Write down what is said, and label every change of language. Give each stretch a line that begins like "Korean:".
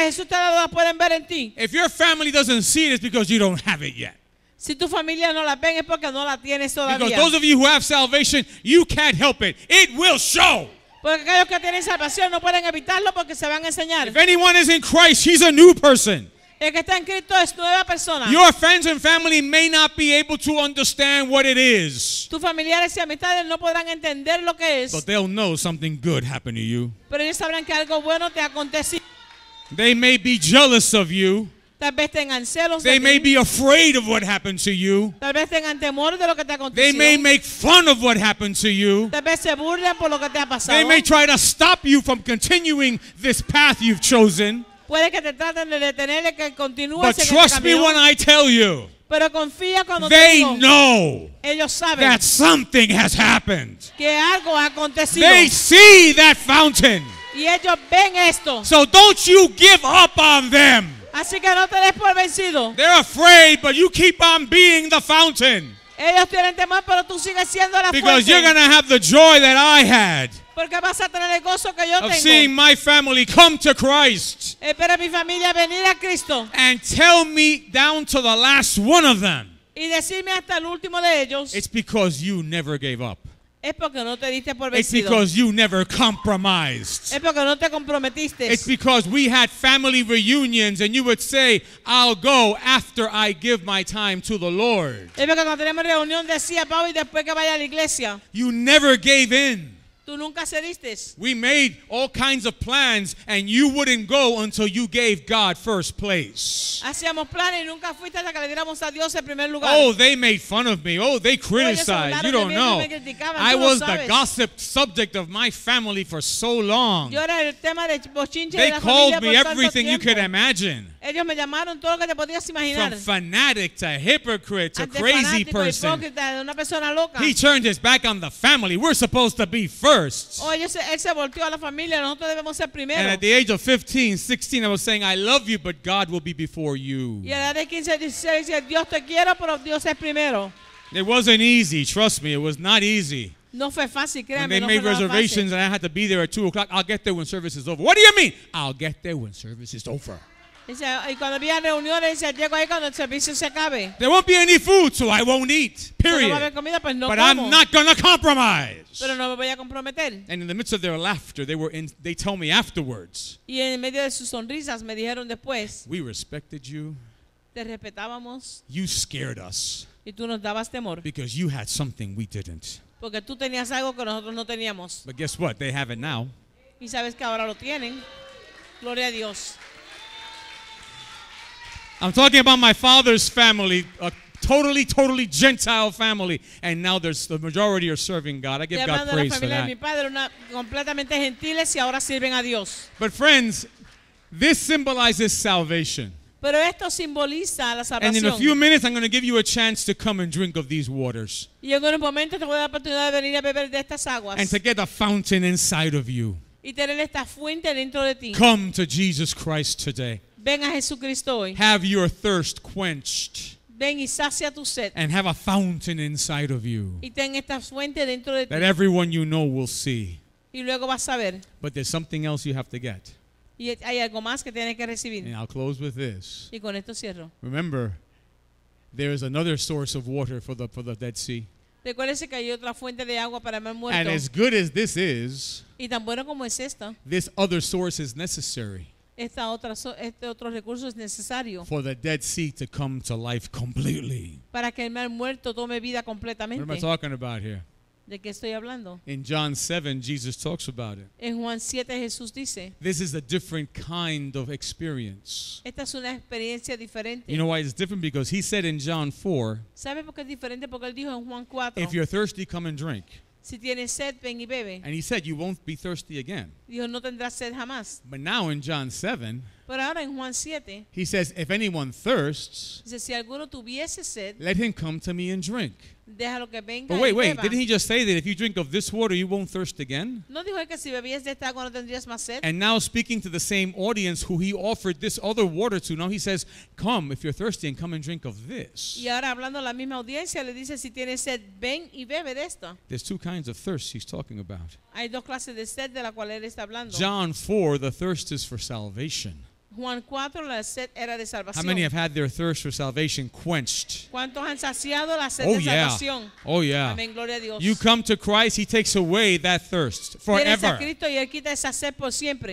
English: If your family doesn't see it, it's because you don't have it yet.
Spanish: Si tu familia no la ven es porque no la tienes todavía.
English: Because those of you who have salvation, you can't help it. It will show.
Spanish: Porque aquellos que tienen salvación no pueden evitarlo porque se van a enseñar.
English: If anyone is in Christ, he's a new person.
Spanish: El que está en Cristo es nueva persona.
English: Your friends and family may not be able to understand what it is.
Spanish: Tus familiares y amistades no podrán entender lo que es.
English: But they'll know something good happened to you.
Spanish: Pero ellos sabrán que algo bueno te aconteció.
English: They may be jealous of you.
Spanish: Tal vez tengan celos.
English: They may be afraid of what happened to you.
Spanish: Tal vez tengan temor de lo que te aconteció.
English: They may make fun of what happened to you.
Spanish: Tal vez se burlen por lo que te ha pasado.
English: They may try to stop you from continuing this path you've chosen.
Spanish: Puede que te traten de detener que continúes.
English: But trust me when I tell you.
Spanish: Pero confía cuando
English: they
Spanish: te digo,
English: know
Spanish: ellos saben
English: that something has happened.
Spanish: Que algo ha acontecido.
English: They see that fountain.
Spanish: Y ellos ven esto.
English: So don't you give up on them.
Spanish: Así que no te des por vencido.
English: They're afraid, but you keep on being the fountain.
Spanish: Ellos tienen temor, pero tú sigues siendo la fuente.
English: Because you're going to have the joy that I had.
Spanish: Porque vas a tener el gozo que yo
English: of
Spanish: tengo.
English: Seeing my family come to Christ.
Spanish: Espera mi familia venir a Cristo.
English: And tell me down to the last one of them.
Spanish: y decirme hasta el último de ellos.
English: It's because you never gave up.
Spanish: Es porque no te diste por vencido.
English: It's because you never compromised.
Spanish: Es porque no te comprometiste.
English: It's because we had family reunions and you would say, I'll go after I give my time to the Lord.
Spanish: Es porque cuando teníamos reunión decía, Pablo, y después que vaya a la iglesia.
English: You never gave in.
Spanish: Tú nunca cediste.
English: We made all kinds of plans and you wouldn't go until you gave God first place.
Spanish: Hacíamos planes y nunca fuiste hasta que le diéramos a Dios el primer lugar.
English: Oh, they made fun of me. Oh, they criticized. You don't know. I was the gossip subject of my family for so long.
Spanish: Yo era el tema de bochinche de la.
English: They called me everything you could imagine.
Spanish: Ellos me llamaron todo lo que te podías imaginar.
English: From fanatic to hypocrite to crazy person.
Spanish: Una persona loca.
English: He turned his back on the family. We're supposed to be first.
Spanish: Él se volteó a la familia. Nosotros debemos ser primero.
English: And at the age of 15, 16, I was saying, I love you, but God will be before you.
Spanish: Y a la edad de 15, 16, Dios te quiero, pero Dios es primero.
English: It wasn't easy. Trust me, it was not easy.
Spanish: No fue fácil, créanme.
English: When they made
Spanish: no
English: reservations
Spanish: fácil.
English: And I had to be there at 2 o'clock, I'll get there when service is over. What do you mean? I'll get there when service is over.
Spanish: Y cuando había reuniones, dice, llego ahí cuando el servicio se acabe.
English: There won't be any food, so I won't eat. Period.
Spanish: No va a haber comida, pues no
English: But
Spanish: como.
English: I'm not going to compromise.
Spanish: Pero no me voy a comprometer.
English: And in the midst of their laughter, they told me afterwards.
Spanish: Y en medio de sus sonrisas, me dijeron después.
English: We respected you.
Spanish: Te respetábamos.
English: You scared us.
Spanish: Y tú nos dabas temor.
English: Because you had something we didn't.
Spanish: Porque tú tenías algo que nosotros no teníamos.
English: But guess what? They have it now.
Spanish: Y sabes que ahora lo tienen. Gloria a Dios.
English: I'm talking about my father's family, a totally, totally Gentile family, and now there's the majority are serving God. I give God praise for that.
Spanish: Mi padre, una, completamente gentiles, y ahora sirven a Dios.
English: But friends, this symbolizes salvation.
Spanish: Pero esto simboliza la salvación.
English: And in a few minutes, I'm going to give you a chance to come and drink of these waters.
Spanish: Y en unos momentos te voy a dar la oportunidad de venir a beber de estas aguas.
English: And to get a fountain inside of you.
Spanish: Y tener esta fuente dentro de ti.
English: Come to Jesus Christ today.
Spanish: Ven a Jesucristo hoy.
English: Have your thirst quenched.
Spanish: Ven y sacia tu sed.
English: And have a fountain inside of you.
Spanish: Y ten esta fuente dentro de ti.
English: That everyone you know will see.
Spanish: Y luego vas a ver.
English: But there's something else you have to get.
Spanish: Y hay algo más que tienes que recibir.
English: And I'll close with this.
Spanish: Y con esto cierro.
English: Remember, there is another source of water for the Dead Sea.
Spanish: Recuérdese que hay otra fuente de agua para el Mar Muerto.
English: And as good as this is,
Spanish: y tan bueno como es esta,
English: this other source is necessary.
Spanish: Este otro recurso es necesario.
English: For the Dead Sea to come to life completely.
Spanish: Para que el Mar Muerto tome vida completamente.
English: What am I talking about here?
Spanish: ¿De qué estoy hablando?
English: In John 7, Jesus talks about it.
Spanish: En Juan 7, Jesús dice.
English: This is a different kind of experience.
Spanish: Esta es una experiencia diferente.
English: You know why it's different? Because he said in John 4.
Spanish: ¿Sabe por qué es diferente? Porque él dijo en Juan 4.
English: If you're thirsty, come and drink.
Spanish: Si tienes sed, ven y bebe.
English: And he said, you won't be thirsty again.
Spanish: Dijo, no tendrás sed jamás.
English: But now in John 7,
Spanish: pero ahora en Juan 7,
English: he says, if anyone thirsts,
Spanish: dice, si alguno tuviese sed,
English: let him come to me and drink.
Spanish: Déjalo que venga.
English: But wait,
Spanish: y beba.
English: Didn't he just say that if you drink of this water, you won't thirst again?
Spanish: ¿No dijo que si bebías de esta agua, no tendrías más sed?
English: And now speaking to the same audience who he offered this other water to, now he says, come if you're thirsty and come and drink of this.
Spanish: Y ahora hablando a la misma audiencia, le dice, si tienes sed, ven y bebe de esto.
English: There's two kinds of thirst he's talking about.
Spanish: Hay dos clases de sed de la cual él está hablando.
English: John 4, the thirst is for salvation.
Spanish: Juan 4, la sed era de salvación.
English: How many have had their thirst for salvation quenched?
Spanish: ¿Cuántos han saciado la sed oh, de salvación?
English: Yeah. Oh yeah.
Spanish: Amén, gloria a Dios.
English: You come to Christ, he takes away that thirst forever.
Spanish: Vienes a Cristo y él quita esa sed por siempre.